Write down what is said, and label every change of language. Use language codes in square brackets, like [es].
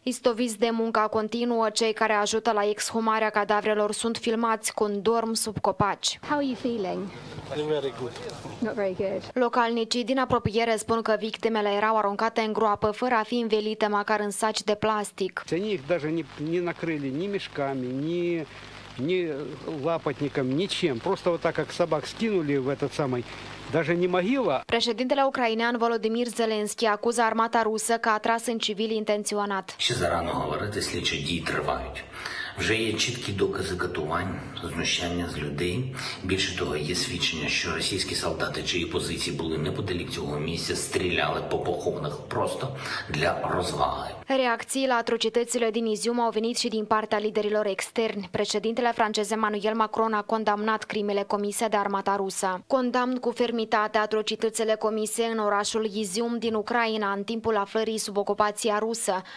[ro] Istoviți de munca continuă, cei care ajută la exhumarea cadavrelor sunt filmați când dorm sub copaci. [en] How are you feeling? Not very good. [ro] Localnicii din apropiere spun că victimele erau aruncate în groapă fără a fi învelite, măcar în saci de plastic. Ce nici [ru] накрыли ни мешками, ни лапотником, ничем. Просто вот так, как собак скинули в этот самый... Даже не могила. [ro] Președintele ucrainean Volodymyr Zelensky acuză armata rusă că a tras în civili intenționat. [uk] Și зарано говорити, слідчі дії тривають. Вже є чіткі докази катувань, знущання з людей. Більше того, є свідчення, що російські солдати, чиї позиції були неподалік цього місця, стріляли по похованих просто для розваги. [ro] Reacții la atrocitățile din Izium au venit și din partea liderilor externi. Președintele francez Emmanuel Macron a condamnat crimele comise de armata rusă. Condamn cu fermitate atrocitățile comise în orașul Izium din Ucraina în timpul aflării sub ocupația rusă.